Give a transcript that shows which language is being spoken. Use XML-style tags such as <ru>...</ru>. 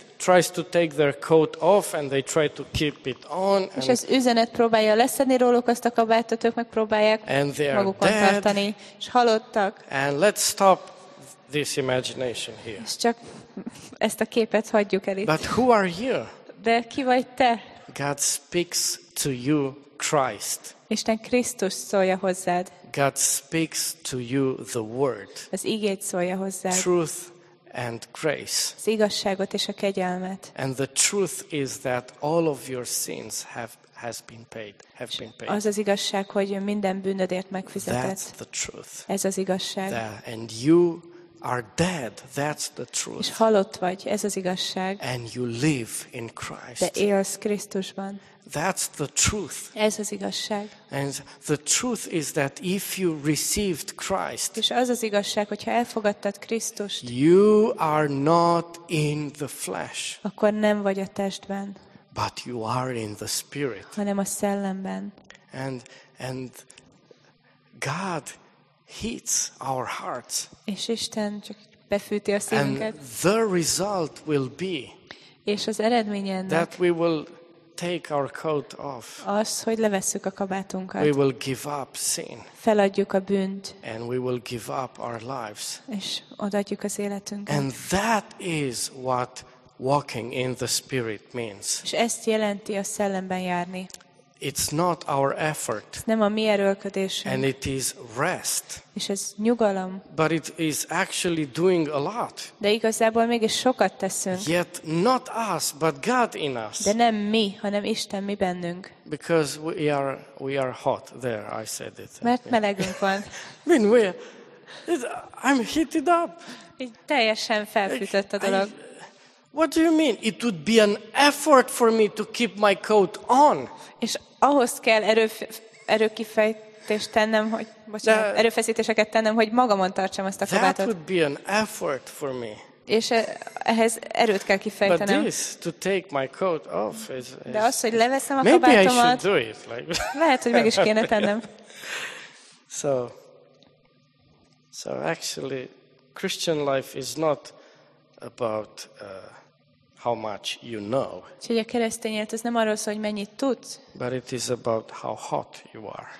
<en>Tries to take their coat off and they try to keep it on.</en> <hu>És az üzenet próbálja leszedni róluk azt a kabátot, ők megpróbálják magukon tartani, és halottak.</hu> <en>And let's stop this imagination here.</en> <hu>És csak ezt a képet hagyjuk el itt.</hu> <en>But who are you?</en> <hu>De ki vagy te?</hu> <en>God speaks to you, Christ.</en> <hu>Isten Krisztus szólja hozzád.</hu> <en>God speaks to you the word.</en> <hu>Az igét szólja hozzád.</hu> <en>Truth and grace.</en> <hu>Az igazságot és a kegyelmet.</hu> <en>And the truth is that all of your sins have been paid.</en> <hu>Az az igazság, hogy minden bűnödért megfizetett.</hu> <en>That's the truth.</en> <hu>Ez az igazság.</hu> <en>And you are dead. That's the truth.</en> <hu>És halott vagy, ez az igazság.</hu> <en>And you live in Christ.</en> <hu>De élsz Krisztusban.</hu> <en>That's the truth.</en> <hu>Ez az igazság.</hu> <en>And the truth is that if you received Christ.</en> <hu>És az az igazság, hogyha elfogadtad Krisztust.</hu> <en>You are not in the flesh.</en> <hu>Akkor nem vagy a testben.</hu> <en>But you are in the spirit.</en> <hu>Hanem a szellemben.</hu> <en>And God heats our hearts.</en> <hu>És Isten csak befűti a szívünket.</hu> <en>And the result will be.</en> <hu>És az eredménye ennek.</hu> <en>That we will take our coat off.</en> <hu>Az, hogy levesszük a kabátunkat.</hu> <en>We will give up sin.</en> <hu>Feladjuk a bűnt.</hu> <en>And we will give up our lives.</en> <hu>És odaadjuk az életünket.</hu> <en>And that is what walking in the spirit means.</en> <hu>És ezt jelenti a szellemben járni.</hu> <en>It's not our effort.</en> <hu>Nem a mi erőlködésünk.</hu> <en>And it is rest.</en> <hu>És ez nyugalom.</hu> <en>But it is actually doing a lot.</en> <hu>De igazából mégis sokat teszünk.</hu> <en>Yet not us, but God in us.</en> <hu>De nem mi, hanem Isten mi bennünk.</hu> <en>Because we are hot there, I said it.</en> <hu>Mert melegünk van.</hu> <en>I mean, I'm heated up.</en> <hu>Így teljesen felfűtött a dolog.</hu> <en>What do you mean? It would be an effort for me to keep my coat on.</en> <hu>És ahhoz kell erőkifejtést tennem, hogy erőfeszítéseket tennem, hogy magamon tartsam ezt a kabátot.</hu> <en>That would be an effort for me.</en> <hu>És ehhez erőt kell kifejtenem.</hu> <en>But this, to take my coat off, is,</en> <hu>de az, hogy leveszem a kabátomat,</hu> <en>maybe I should do it, like,</en> <hu>lehet, hogy meg is kéne tennem.</hu> <en>So actually, Christian life is not about how much you know.</en> <hu>Úgyhogy a keresztény élet az nem arról szól, hogy mennyit tudsz.</hu> <en>But it is about how hot you are.</en>